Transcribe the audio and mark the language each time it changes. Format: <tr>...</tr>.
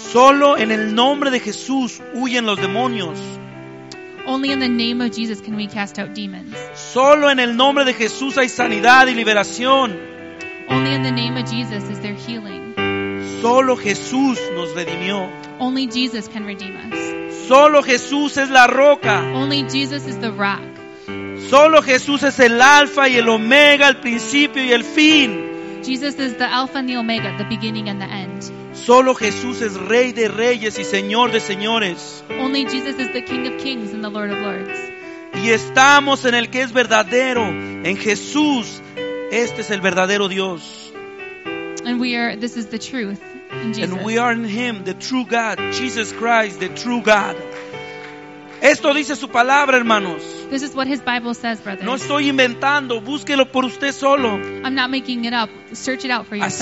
<es>Solo en el nombre de Jesús huyen los demonios.</es> <en>Only in the name of Jesus can we cast out demons.</en> <es>Solo en el nombre de Jesús hay sanidad y liberación.</es> <en>Only in the name of Jesus is there healing.</en> <es>Solo Jesús nos redimió.</es> <en>Only Jesus can redeem us.</en> <es>Solo Jesús es la roca.</es> <en>Only Jesus is the rock.</en> <es>Solo Jesús es el alfa y el omega, el principio y el fin.</es> <en>Jesus is the alpha and the omega, the beginning and the end.</en> <es>Solo Jesús es rey de reyes y señor de señores.</es> <en>Only Jesus is the king of kings and the lord of lords.</en> <es>Y estamos en el que es verdadero, en Jesús. Este es el verdadero Dios.</es> <en>And this is the truth. And we are in Him, the true God, Jesus Christ, the true God.</en> <es>Esto dice su palabra, hermanos.</es> <en>This is what His Bible says, brothers.</en> <es>No estoy inventando, búsquelo por usted solo.</es> <en>I'm not making it up. Search it out for yourself.</en>